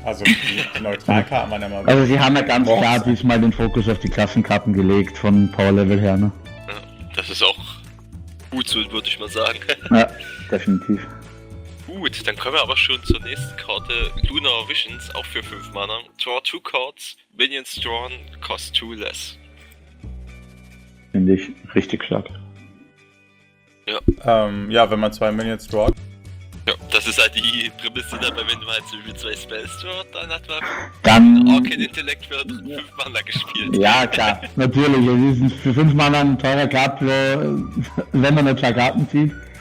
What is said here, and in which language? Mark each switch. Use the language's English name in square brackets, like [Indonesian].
[German] Also die neutralen Karten waren ja mal. Also sie haben ja ganz klar diesmal den Fokus auf die Klassenkarten gelegt, von Power Level her, ne? Das ist auch gut so, würde ich mal sagen. Ja, definitiv. Gut, dann kommen wir aber schon zur nächsten Karte. Lunar Visions, auch für 5 Mana. [English] Draw 2 Cards, Minions drawn, cost 2 less. [German] Finde ich richtig stark. Ja. Ja, wenn man 2 Minions draht. Ja, das ist halt die Prämisse dabei, wenn man halt so wie 2 Spells draht, dann hat man. Dann. Orchid Intellect für 5 Mana gespielt. Ja, klar, natürlich. Es ist für 5 Mana ein teurer Card, wenn man nur 2 Karten zieht.